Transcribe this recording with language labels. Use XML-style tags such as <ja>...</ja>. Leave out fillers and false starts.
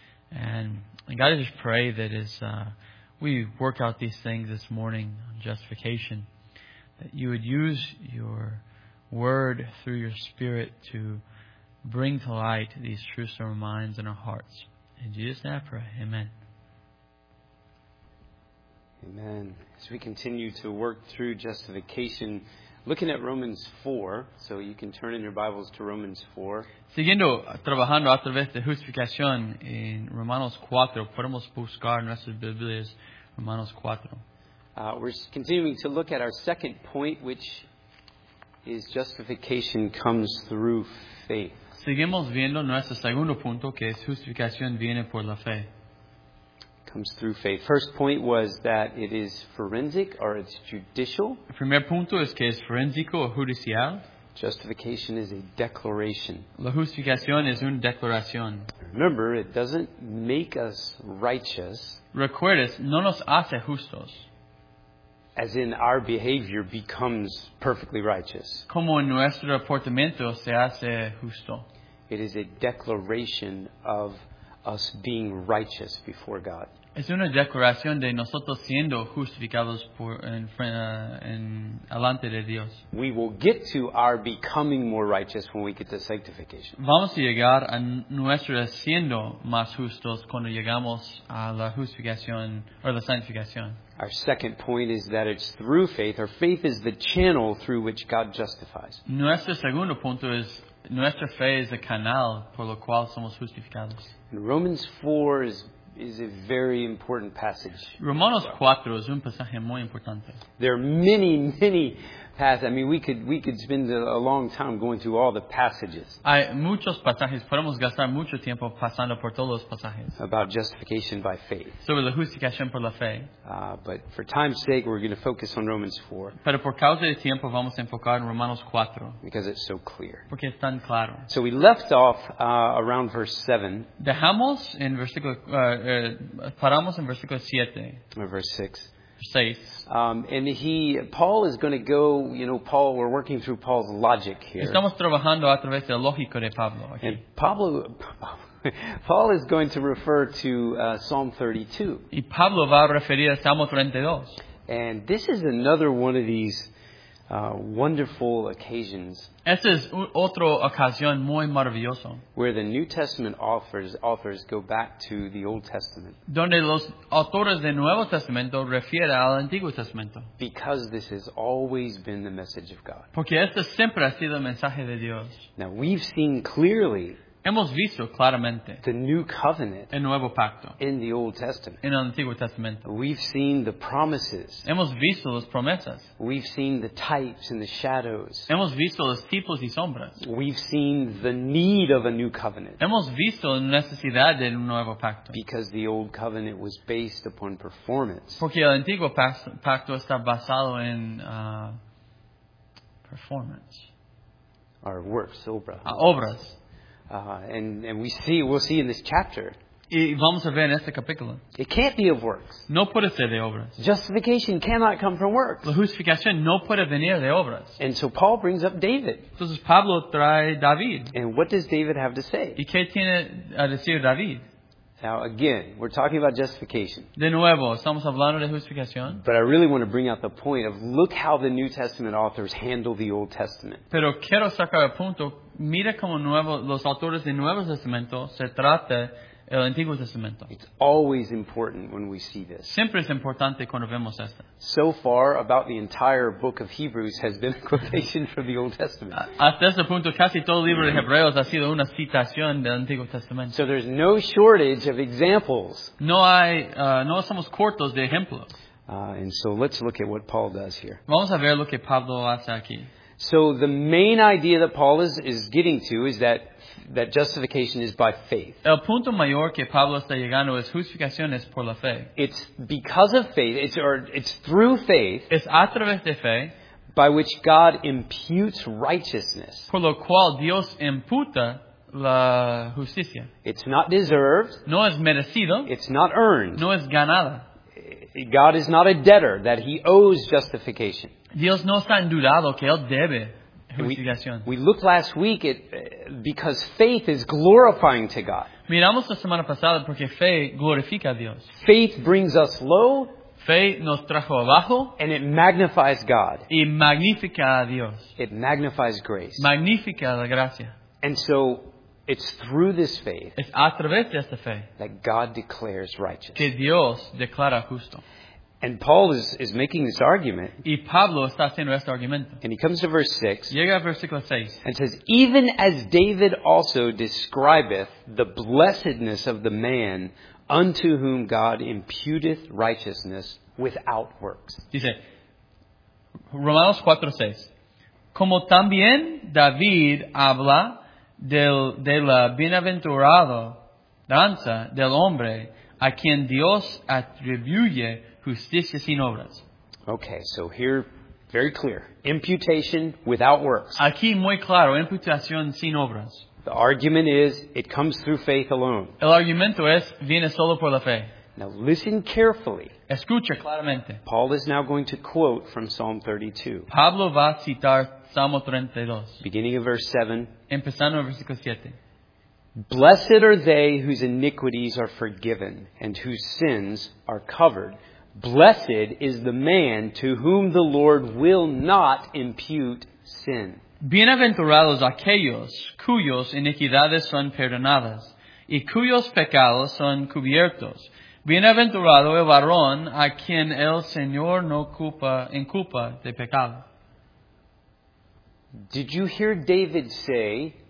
<en>And God, I just pray that as we work out these things this morning on justification, that you would use your word through your spirit to bring to light these truths in our minds and our hearts. In Jesus' name I pray. Amen. Amen. As we continue to work through justification, looking at Romans 4, so you can turn in your Bibles to Romans 4.</en> <es>Siguiendo trabajando a través de justificación en Romanos 4, podemos buscar en nuestras Biblias Romanos 4.</es> <en>We're continuing to look at our second point, which is justification comes through faith.</en> <es>Seguimos viendo nuestro segundo punto, que es justificación viene por la fe.</es> <en>Comes through faith. First point was that it is forensic or it's judicial.</en> <es>El primer punto es que es forensico o judicial.</es> <en>Justification is a declaration.</en> <es>La justificación es una declaración.</es> <en>Remember, it doesn't make us righteous.</en> <es>Recuerdes, no nos hace justos.</es> <en>As in our behavior becomes perfectly righteous.</en> <es>Como en nuestro portamiento se hace justo.</es> <en>It is a declaration of us being righteous before God.</en> <es>Es una declaración de nosotros siendo justificados por en delante de Dios.</es> <en>We will get to our becoming more righteous when we get to sanctification.</en> <es>Vamos a llegar a nuestro siendo más justos cuando llegamos a la justificación o la santificación.</es> <en>Our second point is that it's through faith. Our faith is the channel through which God justifies.</en> <es>Nuestro segundo punto es nuestra fe es el canal por lo cual somos justificados.</es> <en>And Romans 4 is a very important passage.</en> <es>Romanos 4 es un pasaje muy importante.</es> <en>There are many, many passages. I mean, we could spend a long time going through all the passages.</en> <es>Hay muchos pasajes. Podemos gastar mucho tiempo pasando por todos los pasajes.</es> <en>About justification by faith.</en> <es>Sobre la justificación por la fe.</es> <en>But for time's sake, we're going to focus on Romans 4.</en> <es>Pero por causa de tiempo, vamos a enfocar en Romanos 4.</es> <en>Because it's so clear.</en> <es>Porque es tan claro.</es> <en>So we left off around verse 7.</en> <es>Dejamos en versículo... paramos en versículo 7.</es> <en>Verse 6. And Paul is going to go, Paul, we're working through Paul's logic here.</en> <es>Estamos trabajando a través del lógico de Pablo. Aquí.</es> <en>And Paul is going to refer to Psalm 32.</en> <es>Y Pablo va a referir a Salmo 32.</es> <en>And this is another one of these wonderful occasions.</en> <es>Esta es otra ocasión muy maravillosa.</es> <en>Where the New Testament authors go back to the Old Testament.</en> <es>Donde los autores del Nuevo Testamento refieren al Antiguo Testamento.</es> <en>Because this has always been the message of God.</en> <es>Porque este siempre ha sido el mensaje de Dios.</es> <en>Now we've seen clearly.</en> <es>Hemos visto claramente</es> <en>the new covenant,</en> <es>el nuevo pacto,</es> <en>in the Old Testament,</en> <es>en el Antiguo Testamento.</es> <en>We've seen the promises.</en> <es>Hemos visto las promesas.</es> <en>We've seen the types and the shadows.</en> <es>Hemos visto los tipos y sombras.</es> <en>We've seen the need of a new covenant.</en> <es>Hemos visto la necesidad de un nuevo pacto.</es> <en>Because the old covenant was based upon performance.</en> <es>Porque el Antiguo pacto está basado en performance.</es> <en>Our works, obra.</en> <es>Obras.</es> <en>And we'll see in this chapter.</en> <es>Y vamos a ver en este capítulo.</es> <en>It can't be of works.</en> <es>No puede ser de obras.</es> <en>Justification cannot come from works.</en> <es>La justificación no puede venir de obras.</es> <en>And so Paul brings up David.</en> <es>Entonces Pablo trae David.</es> <en>And what does David have to say?</en> <es>¿Y qué tiene a decir David?</es> <en>Now again, we're talking about justification.</en> <es>De nuevo, estamos hablando de justificación.</es> <en>But I really want to bring out the point of look how the New Testament authors handle the Old Testament.</en> <es>Pero quiero sacar el punto. Mira cómo los autores del Nuevo Testamento se trata el Antiguo Testamento.</es> <en>It's always important when we see this.</en> <es>Siempre es importante cuando vemos esto.</es> <en>So far, about the entire book of Hebrews has been a quotation from the Old Testament.</en> <es>Hasta este punto, casi todo el libro de Hebreos ha sido una citación del Antiguo Testamento.</es> <en>So there's no shortage of examples.</en> <es>No hay, no somos cortos de ejemplos.</es> <en>And so let's look at what Paul does here.</en> <es>Vamos a ver lo que Pablo hace aquí.</es> <en>So the main idea that Paul is getting to is that justification is by faith.</en> <es>El punto mayor que Pablo está llegando es justificación es por la fe.</es> <en>It's because of faith, it's through faith.</en> <es>Es a través de fe.</es> <en>By which God imputes righteousness.</en> <es>Por lo cual Dios imputa la justicia.</es> <en>It's not deserved.</en> <es>No es merecido.</es> <en>It's not earned.</en> <es>No es ganada.</es> <en>God is not a debtor that he owes justification.</en> <es>Dios no está endeudado que él debe justificación.</es> <en>We looked last week at because faith is glorifying to God.</en> <es>Miramos la semana pasada porque fe glorifica a Dios.</es> <en>Faith brings us low.</en> <es>Fe nos trajo abajo.</es> <en>And it magnifies God.</en> <es>Y magnifica a Dios.</es> <en>It magnifies grace.</en> <es>Magnifica la gracia.</es> <en>And so it's through this faith</en> <es>es a través de esta fe</es> <en>that God declares righteous.</en> <es>Que Dios declara justo.</es> <en>And Paul is making this argument.</en> <es>Y Pablo está haciendo este argumento.</es> <en>And he comes to verse 6.</en> <es>Llega al versículo 6.</es> <en>And says, even as David also describeth the blessedness of the man unto whom God imputeth righteousness without works.</en> <es>Dice, Romanos 4, 6. Como también David habla de la bienaventurada danza del hombre a quien Dios atribuye justicia sin obras.</es> <en>Okay, so here, very clear. Imputation without works.</en> <es>Aquí muy claro, imputación sin obras.</es> <en>The argument is, it comes through faith alone.</en> <es>El argumento es, viene solo por la fe.</es> <en>Now listen carefully.</en> <es>Escucha claramente.</es> <en>Paul is now going to quote from Psalm 32.</en> <es>Pablo va a citar Salmo 32.</es> <en>Beginning of verse 7.</en> <es>Empezando en versículo 7.</es> <en>Blessed are they whose iniquities are forgiven and whose sins are covered. Blessed is the man to whom the Lord will not impute sin.</en> <es>Bienaventurados aquellos cuyos iniquidades son perdonadas y cuyos pecados son cubiertos. Bienaventurado el varón a quien el Señor no inculpa de pecado.</es> <en>Did you hear David say?</en>